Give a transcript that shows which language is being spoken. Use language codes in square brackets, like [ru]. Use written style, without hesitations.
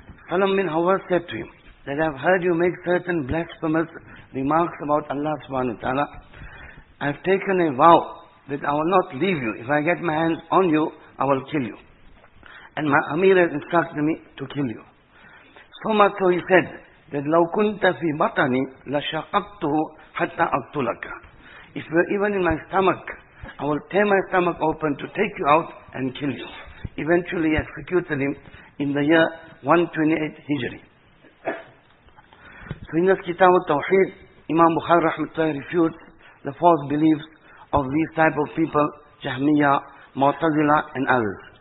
[en] Salam bin Hawaz said to him, that I have heard you make certain blasphemous remarks about Allah subhanahu wa ta'ala. I have taken a vow that I will not leave you. If I get my hands on you, I will kill you. And my Amir has instructed me to kill you. So much so he said that [ar] لو كنت في بطني لشققته حتى أقتلك. [en] If you are even in my stomach, I will tear my stomach open to take you out and kill you. Eventually he executed him in the year 128 Hijri. So in this Kitab al-Tawheed, Imam Bukhari rahmatullahi refutes the false beliefs of these type of people, Jahmiya, Mu'tazila and others.